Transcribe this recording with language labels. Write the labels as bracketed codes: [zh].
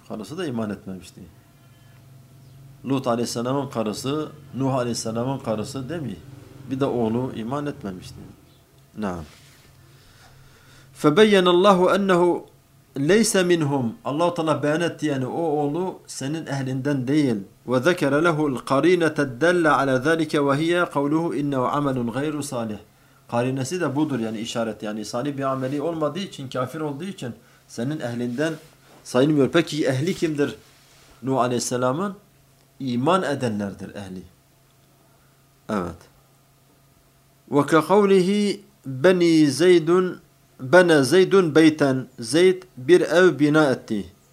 [tr] Karısı da iman etmemişti. Lut Aleyhisselam'ın karısı, Nuh Aleyhisselam'ın karısı değil mi? Bir de oğlu iman etmemişti. Naam. [ar] فَبَيَّنَ اللّٰهُ اَنَّهُ ليس منهم, [tr] Allah-u Teala beyan etti yani o oğlu senin ehlinden değil. [ar] وذكر له القرينة الدالة على ذلك وهي قوله إنه عمل غير صالح. [tr] Karinesi de budur, yani işaret, yani salih bir ameli olmadığı için, kafir olduğu için senin ehlinden sayılmıyor. Peki ehli kimdir Nuh Aleyhisselam'ın? İman edenlerdir ehli. Evet. [ar] وكقوله بني زيد bana Zeydun beyten, [tr] Zeyd bir ev bina etti.